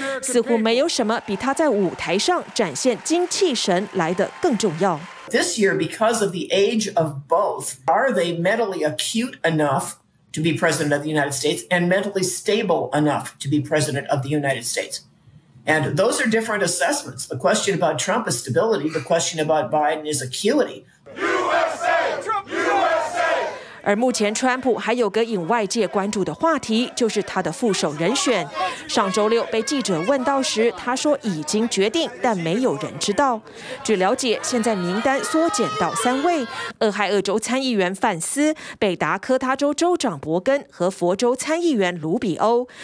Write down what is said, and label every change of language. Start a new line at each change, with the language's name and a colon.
Chinese: 似乎没有什么比他在舞台上展现精气神来得更重要。
English: This year, because of the age of both, are they mentally acute enough? To be president of the United States and mentally stable enough to be president of the United States. And those are different assessments. The question about Trump is stability, the question about Biden is acuity. USA! Trump! USA!
Chinese: 而目前川普还有个引外界关注的话题，就是他的副手人选。上周六被记者问到时，他说已经决定，但没有人知道。据了解，现在名单缩减到3位，俄亥俄州参议员范斯、北达科他州州长伯根和佛州参议员卢比欧。